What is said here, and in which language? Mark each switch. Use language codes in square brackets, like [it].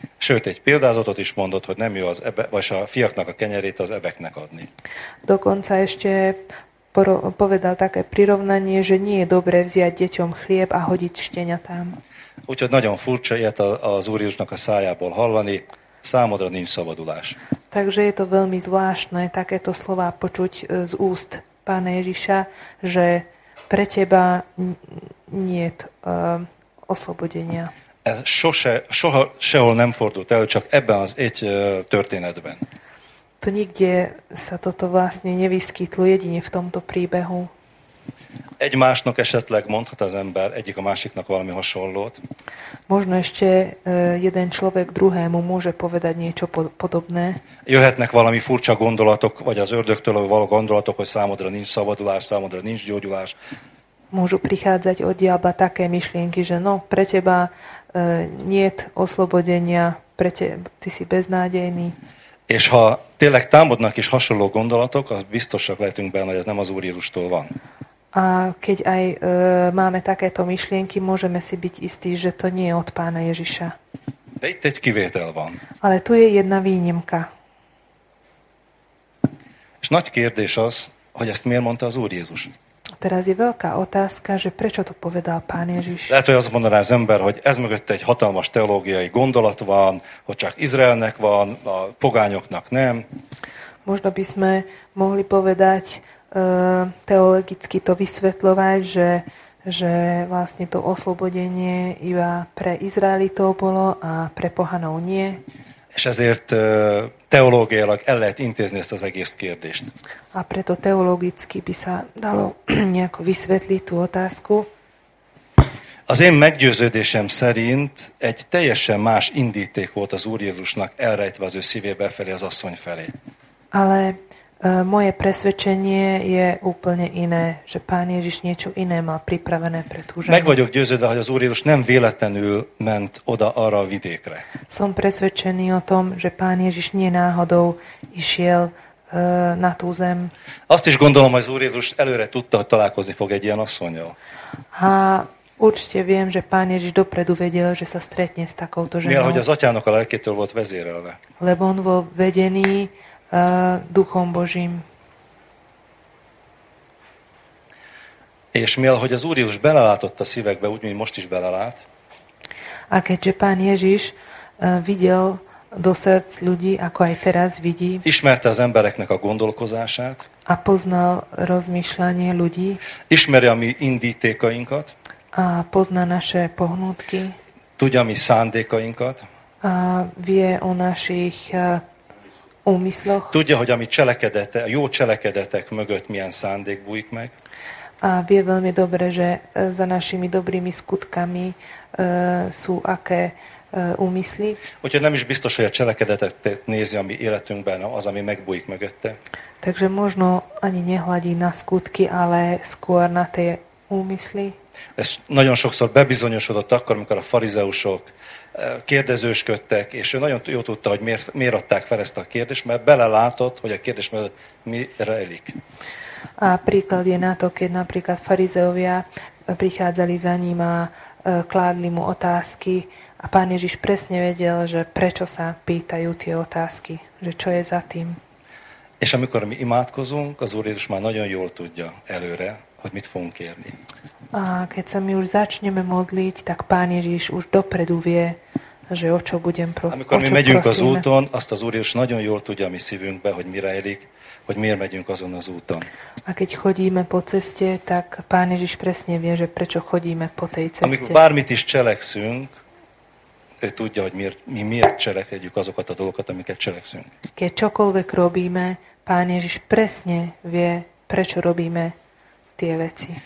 [hu] Sőt, egy példázatot is mondott, hogy nem jó az ebe, vagy a fiaknak a kenyerét az ebeknek adni. [sk] Dokonca ešte povedal také prirovnanie, že nie je dobré vziať deťom chlieb a hodiť šteniatám. [hu] Úgyhogy nagyon furcsa ilyet az Úr Jézusnak a szájából hallani, számodra nincs szabadulás. [sk] Takže je to veľmi zvláštne takéto slová počuť z úst Pána Ježiša, že pre teba niet oslobodenia. [hu] Ez soha sehol nem fordult el, csak ebben az egy történetben. [sk] To nikde sa toto vlastne nevyskytlo, jedine v tomto príbehu. [hu] Egymásnak esetleg mondhat az ember egyik a másiknak valami hasonlót. [sk] Možno ešte jeden človek druhému môže povedať niečo podobné. [hu] Jöhetnek valami furcsa gondolatok, vagy az ördögtől való gondolatok, hogy számodra nincs szabadulás, számodra nincs gyógyulás. [sk] Môžu prichádzať od diabla také myšlienky, že no, pre teba niet oslobodenia, pre teba, ty si beznádejný. [hu] És ha tényleg támadnak is hasonló gondolatok, az biztosak lehetünk benne, hogy ez nem az Úr Jézustól van. [sk] A keď aj máme takéto myšlienky, môžeme si byť istí, že to nie je od Pána Ježiša. [hu] De itt egy kivétel van. [sk] Ale tu je jedna výnimka. [hu] És nagy kérdés az, hogy ezt miért mondta az Úr Jézus. [sk] Teraz je veľká otázka, že prečo to povedal Pán Ježiš. [hu] Lehet, hogy azt mondaná az ember, hogy ez mögött egy hatalmas teológiai gondolat van, hogy csak Izraelnek van, a pogányoknak nem. [sk] Možno by sme mohli povedať teologicky to vysvetľovať, že vlastne to oslobodenie iba pre Izraelitov bolo a pre pohanov nie. [hu] És ezért teológiailag el lehet intézni ezt az egész kérdést. [sk] A preto teologicky by sa dalo nejako vysvetliť tú otázku. [hu] Az én meggyőződésem szerint egy teljesen más indíték volt az Úr Jézusnak elrejtve az ő szívébe felé, az asszony felé. [sk] Ale moje presvedčenie je úplne iné, že Pán Ježiš niečo iné má pripravené pre tú ženu. [hu] Meg vagyok győződve, hogy az Úr Jézus nem véletlenül ment oda arra a vidékre. [sk] Som presvedčený o tom, že Pán Ježiš nie náhodou išiel na tú zem. [hu] Azt is gondolom, hogy az Úr Jézus előre tudta, hogy találkozni fog egy ilyen asszonnyal. [sk] A určite viem, že Pán Ježiš dopredu vedel, že sa stretne s takouto ženou. [hu] Mielhogy az atyának a lelkétől volt vezérelve. [sk] Lebo on bol vedený duchom Božím. [hu] És mielhogy az Úr Jézus belelátott a szívekbe, úgy, mint most is belelát. [sk] A keďže Pán Ježiš videl do srdc ľudí, ako aj teraz vidí. [hu] Ismerte az embereknek a gondolkozását. [sk] A poznal rozmýšľanie ľudí. [hu] Ismeri a mi indítékainkat. [sk] A pozná naše pohnutky. [hu] Tudja mi szándékainkat. [sk] A vie o našich úmysloch. [hu] Tudja, hogy a mi cselekedete, a jó cselekedetek mögött milyen szándék bújik meg. [sk] A vie veľmi dobre, že za našimi dobrými skutkami sú aké úmysly. [hu] Úgyhogy nem is biztos, hogy a cselekedetet nézi a mi életünkben az, ami megbújik mögötte. [sk] Takže možno ani nehladí na skutky, ale skôr na tie úmysly. [hu] Ez nagyon sokszor bebizonyosodott akkor, amikor a farizeusok kérdezősködtek, és ő nagyon jól tudta, hogy miért adták fel ezt a kérdést, mert belelátott, hogy a kérdés mi rejlik. [sk] A príklad je na to, keď napríklad farizeovia prichádzali za ním a kládli mu otázky a Pán Ježiš presne vedel, že prečo sa pýtajú tie otázky, že čo je za tým. [hu] És amikor mi imádkozunk, az Úr Jézus már nagyon jól tudja előre, hogy mit fogunk kérni. [sk] A keď sa my už začneme modliť, tak Pán Ježiš už dopredu vie, že o čo budem prosiť. [hu] Amikor mi megyünk [sk] prosíme. [hu] Az úton, azt az Úr Jézus nagyon jól tudja mi szívünkbe, hogy mire élik, hogy miért megyünk azon az úton. [sk] A keď chodíme po ceste, tak Pán Ježiš presne vie, že prečo chodíme po tej ceste. [hu] Amikor bármit is cselekszünk, ő tudja, hogy miért cselekedjük azokat a dolgokat, amiket cselekszünk. [sk] Keď čokoľvek robíme, Pán Ježiš presne vie, prečo robíme tie veci.